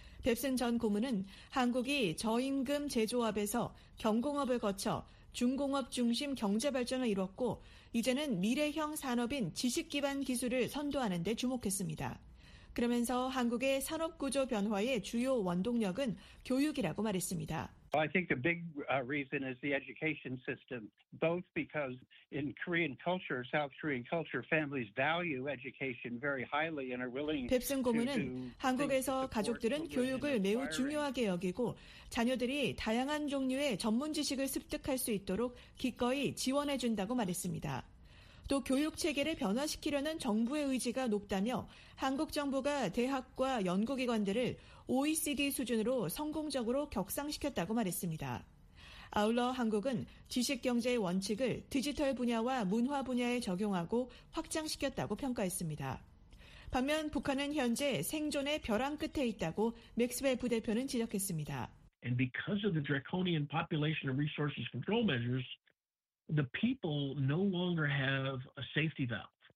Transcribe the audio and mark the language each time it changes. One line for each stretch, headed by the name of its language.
Korean: 뱁슨 전 고문은 한국이 저임금 제조업에서 경공업을 거쳐 중공업 중심 경제 발전을 이뤘고 이제는 미래형 산업인 지식 기반 기술을 선도하는 데 주목했습니다. 그러면서 한국의 산업 구조 변화의 주요 원동력은 교육이라고 말했습니다.
English: Well, I think the big reason is the education system, both because in Korean culture, South Korean culture, families value education very highly and are willing to do.
Korean: 뱁슨 고문은 한국에서 가족들은 교육을 매우 중요하게 여기고 자녀들이 다양한 종류의 전문 지식을 습득할 수 있도록 기꺼이 지원해 준다고 말했습니다. 또 교육 체계를 변화시키려는 정부의 의지가 높다며 한국 정부가 대학과 연구기관들을 OECD 수준으로 성공적으로 격상시켰다고 말했습니다. 아울러 한국은 지식경제의 원칙을 디지털 분야와 문화 분야에 적용하고 확장시켰다고 평가했습니다. 반면 북한은 현재 생존의 벼랑 끝에 있다고 맥스웰 부대표는 지적했습니다.
English: And because of the draconian population and resources control measures, the people no longer have a safety valve.